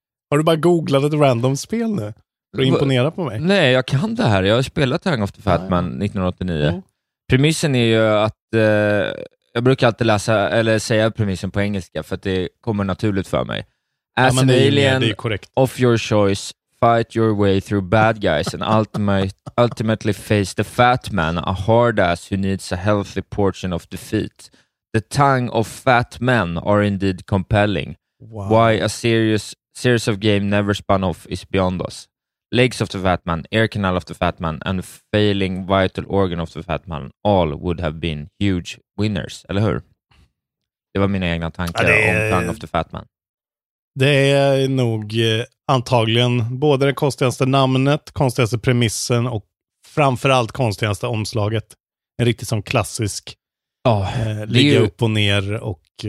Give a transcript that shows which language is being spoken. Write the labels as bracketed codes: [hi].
[sv] Har du bara googlat ett random spel nu? För att imponera på mig. Nej, jag kan det här. Jag har spelat Tongue of the Fat Man 1989. Mm. Premissen är ju att... jag brukar alltid läsa eller säga premissen på engelska för att det kommer naturligt för mig. [en] As [sv] ja, [en] an alien [sv] med, [en] of your choice, fight your way through bad guys and ultimately face the fat man, a hard ass who needs a healthy portion of defeat. The tongue of fat men are indeed compelling. Wow. Why a series of game never spun off is beyond us. Legs of the fat man, air canal of the fat man and failing vital organ of the fat man all would have been huge winners. [sv] Eller hur? Det var mina egna tankar om tongue of the fat man. Det är nog antagligen både det konstigaste namnet, konstigaste premissen och framförallt konstigaste omslaget. En riktigt som klassisk ligga ju... upp och ner och...